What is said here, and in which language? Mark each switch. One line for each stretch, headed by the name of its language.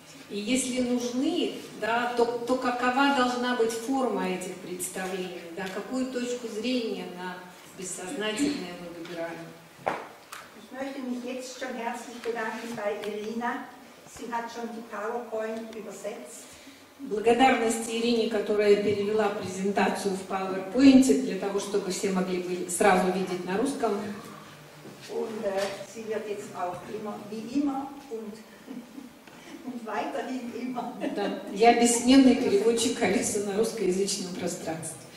Russian: И если нужны, да, то какова должна быть форма этих представлений? Да, какую точку зрения на бессознательное мы выбираем?
German: Ich möchte mich jetzt schon herzlich bedanken bei Irina. Sie hat schon die PowerPoint übersetzt.
Russian: Благодарность Ирине, которая перевела презентацию в PowerPoint, для того, чтобы все могли бы сразу видеть на русском.
German: Und sie wird jetzt auch immer, wie immer, und weiterhin immer.
Russian: Да, я бессменный переводчик Алисы на русскоязычном пространстве.